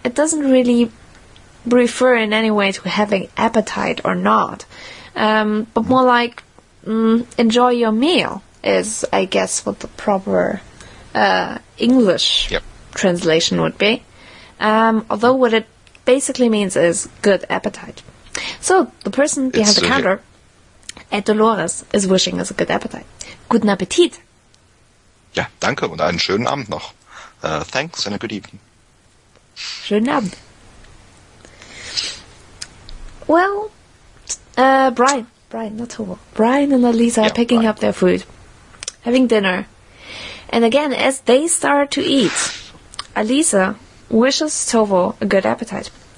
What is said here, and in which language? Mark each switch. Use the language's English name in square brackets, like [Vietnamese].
[English] It doesn't really refer in any way to having appetite or not, but more like enjoy your meal is, I guess, what the proper English translation would be. Although what it basically means is good appetite. So the person behind the counter... Dolores is wishing us a good appetite. [German] Guten Appetit! Ja, danke und einen schönen Abend noch. [English] Thanks and a good evening. [German] Schönen Abend. [English] Well, Brian, not Tobo. Brian and Alisa are picking up their food, having dinner. And again, as they start to eat, Alisa wishes Tobo a good appetite.